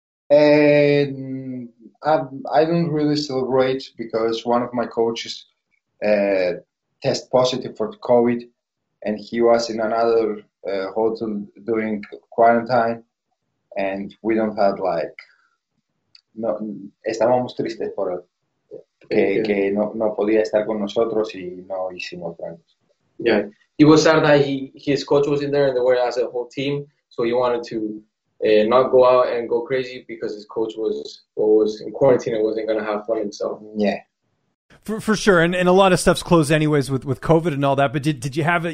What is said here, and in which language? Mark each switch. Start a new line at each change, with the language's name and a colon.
English: I don't really celebrate because one of my coaches test positive for COVID, and he was in another hotel during quarantine, and we don't have like no.
Spanish: Estábamos tristes por él. Que no podía estar con nosotros y no hicimos planes.
English: Yeah, he was sad that his coach was in there and they were as a whole team, so he wanted to not go out and go crazy because his coach was in quarantine and wasn't going to have fun himself. Yeah, for sure. And a lot of stuff's closed anyways with COVID and all that. But did you have it?